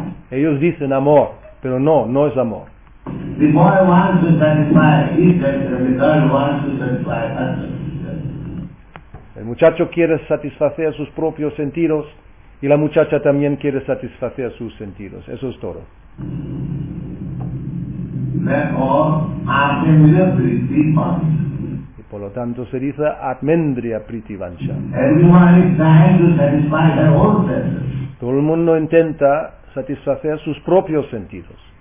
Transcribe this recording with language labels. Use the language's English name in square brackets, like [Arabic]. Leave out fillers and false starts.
[Spanish] Ellos dicen amor, pero no, no es amor. [English] The boy wants to satisfy his self, the girl wants to satisfy herself. [Spanish] El muchacho quiere satisfacer sus propios sentidos y la muchacha también quiere satisfacer sus sentidos. Eso es todo. Y por lo tanto se dice Atmendriya Priti Vancha. [English] Everyone is trying to satisfy their own senses. [Spanish] Todo el mundo intenta satisfacer sus propios sentidos.